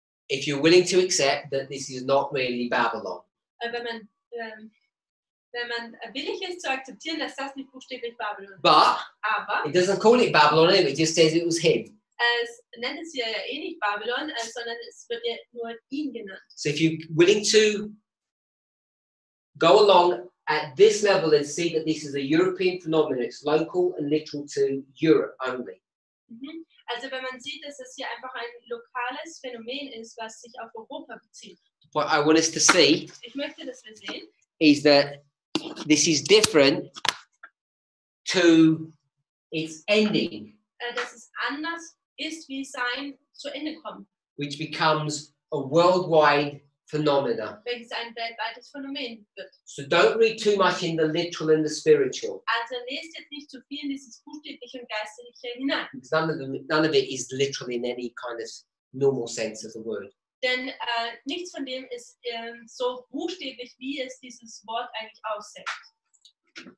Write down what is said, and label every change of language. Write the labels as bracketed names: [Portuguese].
[English] If you're willing to accept that this is not really Babylon. [German] Wenn man willig ist zu akzeptieren, dass das nicht buchstäblich Babylon ist. [English] But it doesn't call it Babylon anyway, it just says it was him. [German] Es nennt es ja eh nicht Babylon, sondern es wird ja nur ihn genannt. [English] So if you're willing to go along at this level and see that this is a European phenomenon, it's local and literal to Europe only. Mm-hmm. [German] Also wenn man sieht, dass es hier einfach ein lokales Phänomen ist, was sich auf Europa bezieht. [English] What I want us to see, [German] ich möchte, dass wir sehen, [English] is that this is different to its ending. [German] Dass es anders ist, wie sein zu Ende kommt. [English] Which becomes a worldwide phenomena. [German] Welches ein weltweites Phänomen wird. [English] So don't read too much in the literal and the spiritual. [German] Also lest jetzt nicht zu viel in dieses buchstäbliche und geistliche hinein. [English] Because none of it is literal in any kind of normal sense of the word. [German] Denn nichts von dem ist so buchstäblich, wie es dieses Wort eigentlich aussagt.